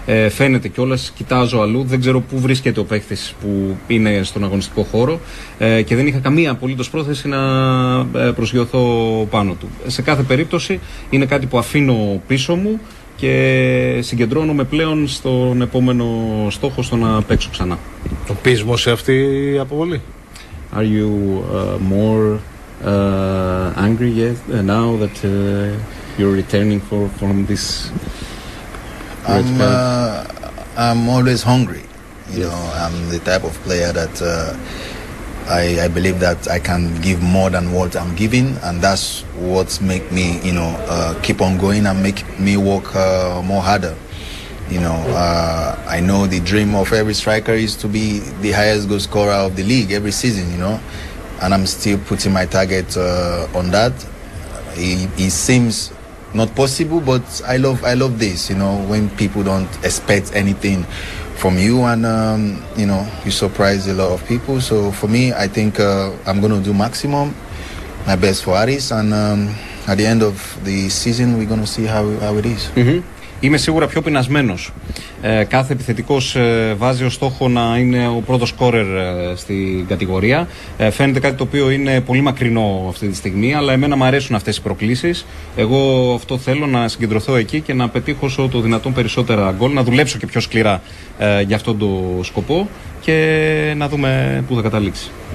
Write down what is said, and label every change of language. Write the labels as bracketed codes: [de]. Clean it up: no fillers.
[el] Φαίνεται κιόλας, κοιτάζω αλλού, δεν ξέρω πού βρίσκεται ο παίκτης που είναι στον αγωνιστικό χώρο και δεν είχα καμία απολύτως πρόθεση να προσγειωθώ πάνω του. Σε κάθε περίπτωση είναι κάτι που αφήνω πίσω μου και συγκεντρώνομαι πλέον στον επόμενο στόχο, στο να παίξω ξανά. Το πείσμα σε αυτή η αποβολή. [en] Are you more angry yet now that you're returning from this red card? I'm always hungry. You know, I'm the type of player that I believe that I can give more than what I'm giving, and that's what make me, you know, keep on going and make me work more harder. You know, I know the dream of every striker is to be the highest goal scorer of the league every season, you know, and I'm still putting my target on that. It seems not possible, but I love this, you know, when people don't expect anything from you, and you know, you surprise a lot of people. So for me, I think I'm going to do maximum, my best for Aris, and at the end of the season, we're going to see how it is. [el] Είμαι σίγουρα πιο πεινασμένος. Κάθε επιθετικός βάζει ως στόχο να είναι ο πρώτος σκόρερ στην κατηγορία. Φαίνεται κάτι το οποίο είναι πολύ μακρινό αυτή τη στιγμή, αλλά εμένα μου αρέσουν αυτές οι προκλήσεις. Εγώ αυτό θέλω, να συγκεντρωθώ εκεί και να πετύχω όσο το δυνατόν περισσότερα γκολ, να δουλέψω και πιο σκληρά για αυτόν τον σκοπό και να δούμε πού θα καταλήξει.